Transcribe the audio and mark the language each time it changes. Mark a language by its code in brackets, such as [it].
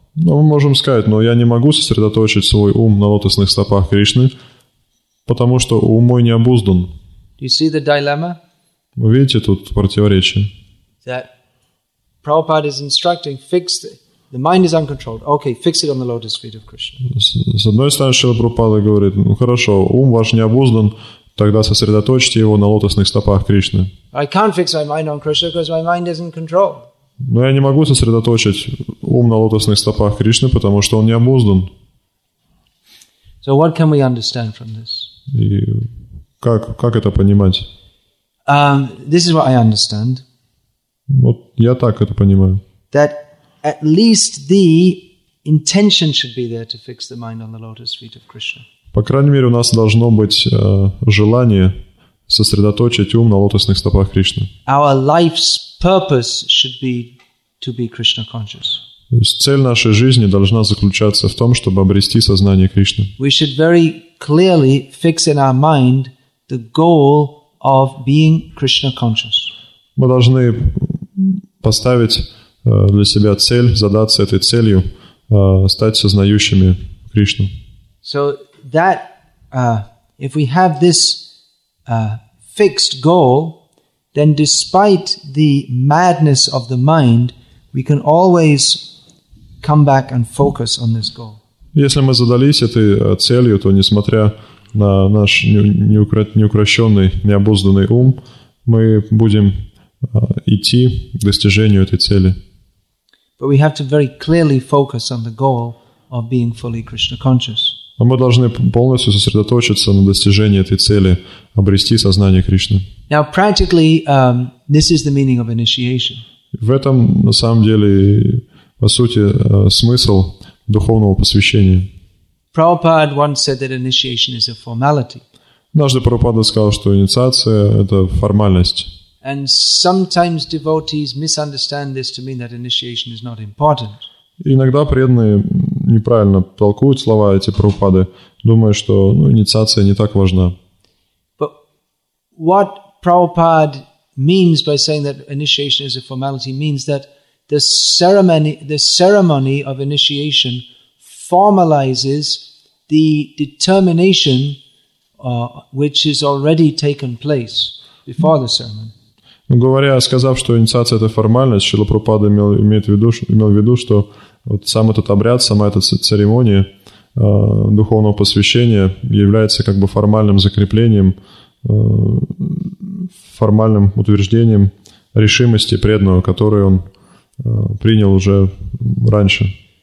[ru] Но мы можем сказать, но я не могу сосредоточить свой ум на лотосных стопах Кришны, потому что ум мой не обуздан. [en] Do you see the dilemma? [ru] Вы видите тут противоречие? [en] That Prabhupada is instructing, fix it. The mind is uncontrolled. Okay, fix it on the lotus feet of Krishna. [ru] С одной стороны, Шрила Прабхупада говорит, ну хорошо, ум ваш не обуздан, тогда сосредоточьте его на лотосных стопах Кришны. [en] I can't fix my mind on Krishna because my mind isn't controlled. [ru] Но я не могу сосредоточить ум на лотосных стопах Кришны, потому что он не обуздан. [en] So what can we understand from this? [ru] И как это понимать? [en] This is what I understand. [ru] Вот я так это понимаю. [en] That at least the intention should be there to fix the mind on the lotus feet of Krishna. [ru] По крайней мере, у нас должно быть желание сосредоточить ум на лотосных стопах Кришны. [en] Our life's purpose should be to be Krishna conscious. [ru] То есть цель нашей жизни должна заключаться в том, чтобы обрести сознание Кришны. [en] We should very clearly fix in our mind the goal of being Krishna conscious. [ru] Мы должны поставить для себя цель, задаться этой целью, стать сознающими Кришну. [en] So that, if we have this fixed goal, then despite the madness of the mind, we can always come back and focus on this goal. [ru] Если мы задались этой целью, то несмотря на наш неукрощенный, необузданный ум, мы будем идти к достижению этой цели. [en] But we have to very clearly focus on the goal of being fully Krishna conscious. [ru] Но мы должны полностью сосредоточиться на достижении этой цели, обрести сознание Кришны. [en] Now, practically, this is the meaning of initiation. [ru] В этом, на самом деле, по сути, смысл духовного посвящения. [en] Prabhupada once said that initiation is a formality. [ru] Однажды Прабхупада сказал, что инициация – это формальность. [en] And sometimes devotees misunderstand this to mean that initiation is not important. [ru] Иногда преданные неправильно толкуют слова эти Прабхупады, думая, что ну, инициация не так важна. [en] But what Prabhupada means by saying that initiation is a formality means that the ceremony of initiation formalizes the determination which is already taken place before the ceremony. [ru] Сказав, что инициация – это формальность, Шрила Прабхупада имел в виду, что вот сам этот обряд, сама эта церемония духовного посвящения является как бы формальным закреплением, формальным утверждением решимости преданного, которую он принял уже раньше.